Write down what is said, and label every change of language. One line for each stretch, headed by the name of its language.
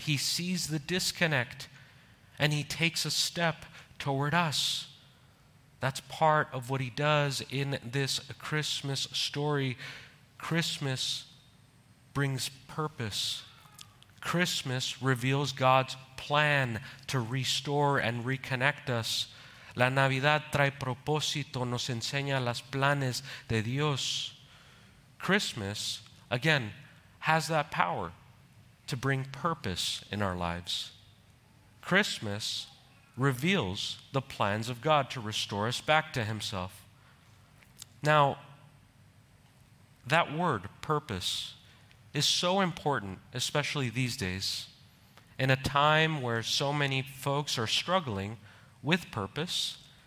English: He sees the disconnect and he takes a step toward us. That's part of what he does in this Christmas story. Christmas brings purpose. Christmas reveals God's plan to restore and reconnect us.
Spanish: La Navidad trae propósito, nos enseña las planes de Dios.
English: Christmas, again, has that power to bring purpose in our lives. Christmas reveals the plans of God to restore us back to himself. Now, that word, purpose, is so important, especially these days, in a time where so many folks are struggling with purpose.